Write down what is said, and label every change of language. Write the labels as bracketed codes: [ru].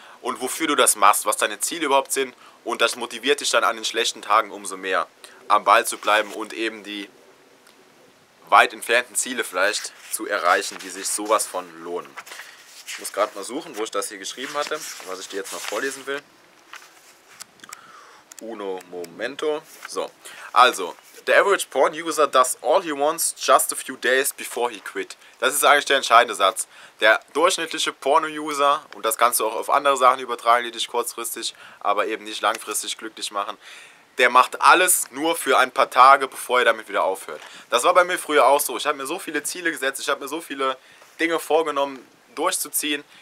[de] und wofür du das machst, was deine Ziele überhaupt sind, und das motiviert dich dann an den schlechten Tagen umso mehr am Ball zu bleiben und eben die weit entfernten Ziele vielleicht zu erreichen, die sich sowas von lohnen. Ich muss gerade mal suchen, wo ich das hier geschrieben hatte, was ich dir jetzt noch vorlesen will. [it] Uno momento. [en] So, also, the average porn user does all he wants just a few days before he quit. [de] Das ist eigentlich der entscheidende Satz. Der durchschnittliche Porno-User, und das kannst du auch auf andere Sachen übertragen, die dich kurzfristig, aber eben nicht langfristig glücklich machen, der macht alles nur für ein paar Tage, bevor er damit wieder aufhört. Das war bei mir früher auch so. Ich habe mir so viele Ziele gesetzt, ich habe mir so viele Dinge vorgenommen, durchzuziehen.